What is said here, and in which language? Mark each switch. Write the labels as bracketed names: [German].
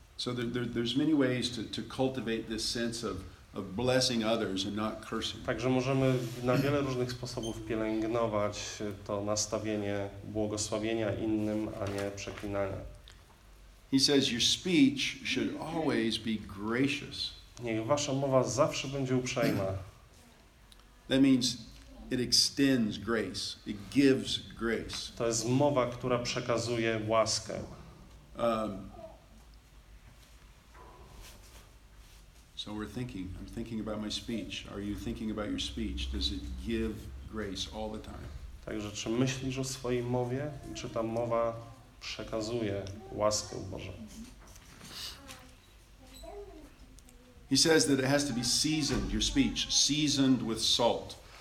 [English] So there's many ways to cultivate this sense of blessing others and not cursing. [Polish] Także możemy na wiele różnych sposobów pielęgnować to nastawienie błogosławienia innym, a nie przeklinania. [English] He says your speech should always be gracious. [Polish] Niech wasza mowa zawsze będzie uprzejma. [English] That means it extends grace. It gives grace. [Polish] To jest mowa, która przekazuje łaskę. [English] So we're thinking. I'm thinking about my speech. Are you thinking about your speech? Does it give grace all the time? [Polish] Także czy myślisz o swojej mowie? Czy ta mowa przekazuje łaskę Bożą? [English] He says that it has to be seasoned, your speech, seasoned with salt.